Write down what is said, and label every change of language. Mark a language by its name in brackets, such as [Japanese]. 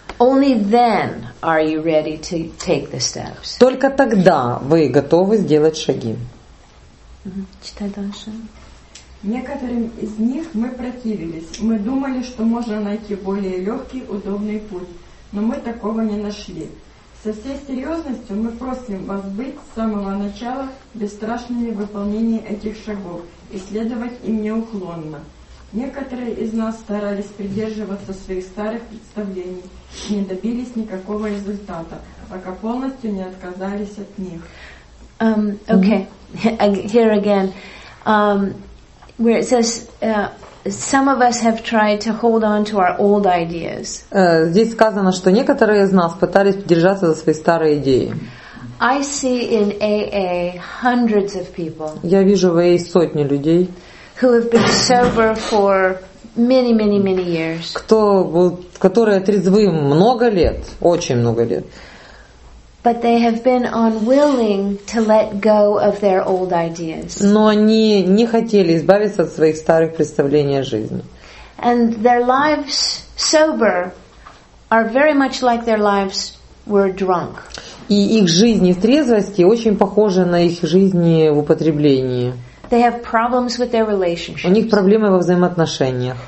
[English] Only then are you ready to take the steps. [Russian] Только тогда вы готовы сделать шаги. Читай дальше. Некоторым из них мы противились. Мы думали, что можно найти более легкий, удобный путь. Но мы такого не нашли. Со всей серьезностью мы просим вас быть с самого начала бесстрашными в выполнении этих шагов и следовать им неуклонно. Некоторые из нас старались придерживаться своих старых представлений и не добились никакого результата, пока полностью не отказались от них. [English] Okay, here again. Where it says, some of us have tried to hold on to our old ideas. [Russian] Здесь сказано, что некоторые из нас пытались держаться за свои старые идеи. [English] I see in AA hundreds of people. [Russian] Я вижу в AA сотни людей. [English] Who have been sober for many, many, many years. [Russian] Кто был, которые трезвы много лет, очень много лет. [English] But they have been unwilling to let go of their old ideas. [Russian] Но они не хотели избавиться от своих старых представлений о жизни. [English] And their lives sober are very much like their lives were drunk. [Russian] И их жизни в трезвости очень похожи на их жизни в употреблении. [English] They have problems with their relationships. [Russian] У них проблемы во взаимоотношениях.